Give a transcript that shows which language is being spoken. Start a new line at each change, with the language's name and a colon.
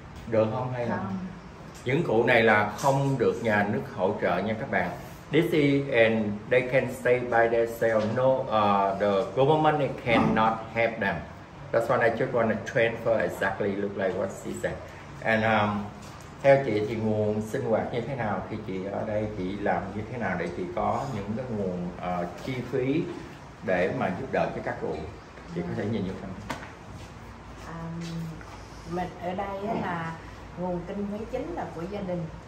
Vietnamese: được không hay là những cụ này là không được nhà nước hỗ trợ nha các bạn.
English: This is and they can stay by themselves. No, the government cannot help them. That's why I just want to transfer exactly look like what she said.
Vietnamese: And theo chị thì nguồn sinh hoạt như thế nào khi chị ở đây, chị làm như thế nào để chị có những cái nguồn chi phí để mà giúp đỡ cho các cụ? Chị có thể nhìn vô không? Mình ở đây là nguồn kinh phí chính là của gia đình.